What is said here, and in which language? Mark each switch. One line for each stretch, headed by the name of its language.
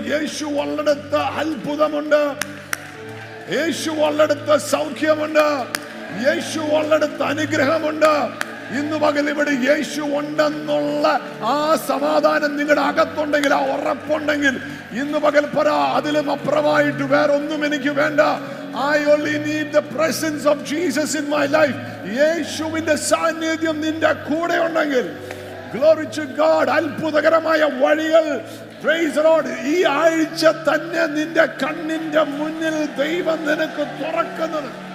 Malayalam: യേശു ഉള്ളിടത്ത് അത്ഭുതമുണ്ട്, യേശു ഉള്ളിടത്ത് സൗഖ്യമുണ്ട്, യേശു ഉള്ളിടത്ത് അനുഗ്രഹമുണ്ട്. ഇന്ന് പകൽ ഇവിടെ യേശു ഉണ്ടെന്നുള്ള ആ സമാധാനം നിങ്ങളുടെ അകത്തുണ്ടെങ്കിൽ, ആ ഉറപ്പുണ്ടെങ്കിൽ, ഇന്ന് പകൽ പറ, അതിലും അപ്പുറമായിട്ട് വേറൊന്നും എനിക്ക് വേണ്ട.
English: I only need the presence of Jesus in my life.
Malayalam: യേശുവിന്റെ സാന്നിധ്യം നിന്റെ കൂടെ ഉണ്ടെങ്കിൽ,
English: glory to God,
Malayalam: അത്ഭുതകരമായ വഴികൾ,
English: praise Lord,
Malayalam: ഈ ആഴ്ച തന്നെ നിന്റെ കണ്ണിന്റെ മുന്നിൽ ദൈവം നിനക്ക് തുറക്കുന്നത്.